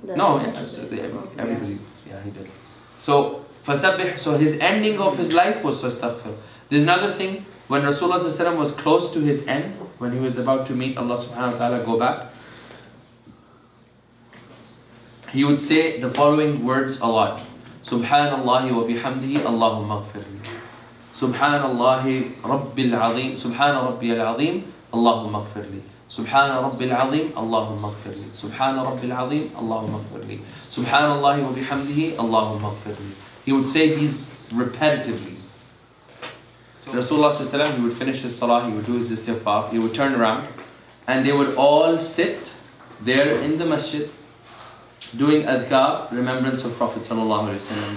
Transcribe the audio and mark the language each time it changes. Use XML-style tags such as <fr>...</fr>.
<en>That no, everybody. Yes. Yeah, he did. So, فَسَبِّحْ. So his ending of his life was فَاسْتَغْفِرْ. There's another thing, when Rasulullah ﷺ was close to his end, when he was about to meet Allah subhanahu wa ta'ala, go back, he would say the following words a lot.</en> <ar>سُبْحَانَ wa bihamdihi, اللَّهُمَّ اغْفِرْنِ. سُبْحَانَ اللَّهِ رَبِّ الْعَظِيمِ. سُبْحَانَ رَبِّيَ الْعَظِيمِ. اللَّهُمَّ اغْفِرْنِ. سبحان ربي العظيم اللهم اغفر لي. سبحان ربي العظيم اللهم اغفر لي. سبحان الله وبحمده اللهم اغفر لي.</ar> <en>He would say these repetitively. So Rasulullah صلى الله عليه وسلم, he would finish his salah, he would do his istighfar, he would turn around, and they would all sit there in the masjid doing adhkar, remembrance of Prophet صلى الله عليه وسلم.</en>